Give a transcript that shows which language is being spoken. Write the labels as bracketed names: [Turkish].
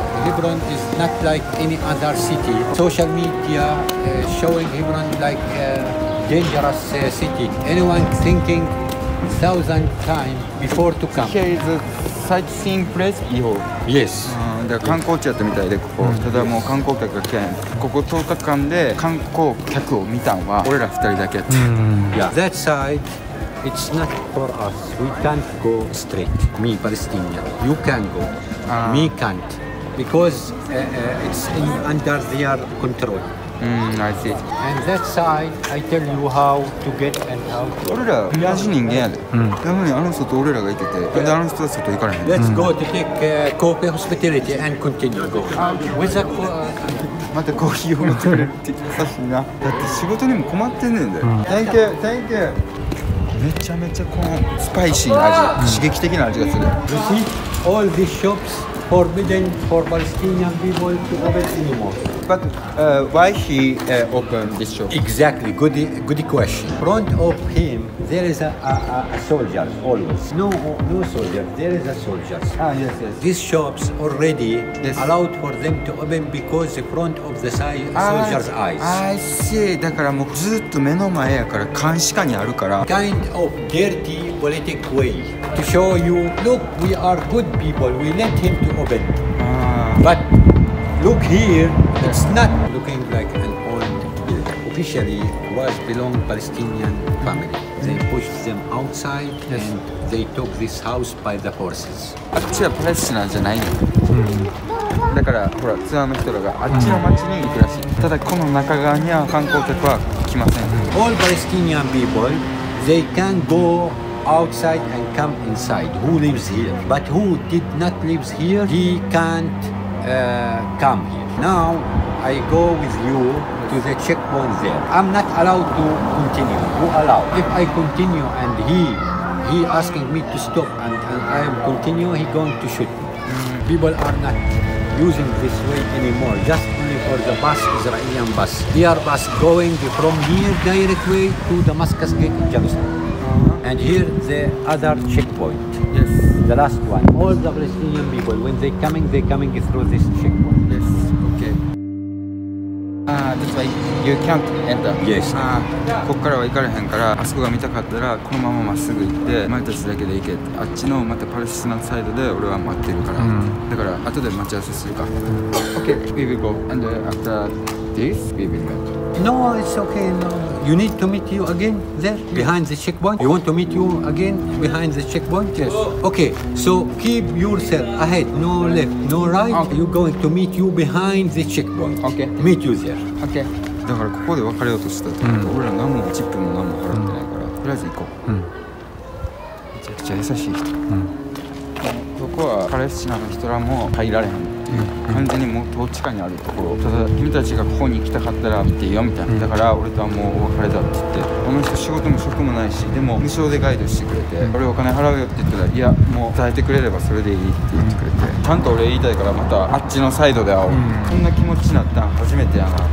[English] Hebron is not like any other city. Social media showing Hebron like a dangerous city. Anyone thinking 1,000 times before to come. Here is a sightseeing place. Yes. [Japanese] で観光地やったみたいで、ここ、うん、ただもう観光客が来やん。ここ10日間で観光客を見たんは俺ら2人だけやった。 [English] That side, it's not for us. We can't go straight. Me, Palestinian. You can go. Me can't. Because it's in, under their control. I see. And that side, I tell you how to get and how. [Japanese] 俺ら同じ人間やで。なのにあの人と俺らが行けて、であの人たちと行かれへん。 [English] Let's go to take coffee hospitality and continue go. With a [Japanese] またコーヒーを持ってくれって優しいな。だって仕事にも困ってんねんだよ。 [English] Thank you. [Japanese] めちゃめちゃこのスパイシーな味、刺激的な味がする。 [English] You see all these shops. Forbidden for Palestinian people to open anymore. But why he opened this shop? Exactly, good question. Front of him, there is a soldier always. No soldier, there is a soldier. Yes. These shops already allowed for them to open because the front of the soldier's eyes. I see, [Japanese] だからもうずっと目の前やから監視下にあるから。 [English] Kind of dirty politic way. To show you, look, we are good people, we let him to open. But look here, it's not looking like an old building. Officially, it was belong Palestinian family. They pushed them outside and they took this house by the horses. [Japanese] あっちはパレスチナじゃないの。だから、ほら、ツアーの人らがあっちの町に行くらしい。ただ、この中側には観光客は来ません。 [English] All Palestinian people, they can goOutside and come inside. Who lives here? But who did not live here, he can't come here. Now I go with you to the checkpoint there. I'm not allowed to continue. Who allow? If I continue and he asking me to stop and I am continue, he going to shoot me. People are not using this way anymore. Just only for the bus, Israeli bus. Their bus going from here direct way to Damascus Gate in Jerusalem. And here the other checkpoint. Yes. The last one. All the Palestinian people, when they coming through this checkpoint. Yes. Okay. That's why you can't enter. Yes. [Japanese] ここからは行かれへんから、あそこが見たかったら、このまままっすぐ行って、お前たちだけで行けって。あっちのまたパレスチナサイドで俺は待ってるから。だから、後で待ち合わせするか。 [English] Okay, we will go. And after this, we will go. No, it's okay. No. You need to meet you again there behind the checkpoint. You want to meet you again behind the checkpoint? Yes. Okay, so keep yourself ahead, no left, no right. Okay. You're going to meet you behind the checkpoint. Okay. Meet you there. Okay. [Japanese] だからここで別れようとしたって、俺ら何もチップも何も払ってないから、とりあえず行こう。めちゃくちゃ優しい人。ここはパレスチナの人らも入られへん。完全にもう統治下にあるところ。ただ君たちがここに行きたかったら見ていいよみたいな、だから俺とはもうお別れだって言って、この人仕事も職もないし、でも無償でガイドしてくれて、俺お金払うよって言ったら、いやもう伝えてくれればそれでいいって言ってくれて、ちゃんと俺言いたいからまたあっちのサイドで会おう、こんな気持ちになったん初めてやな。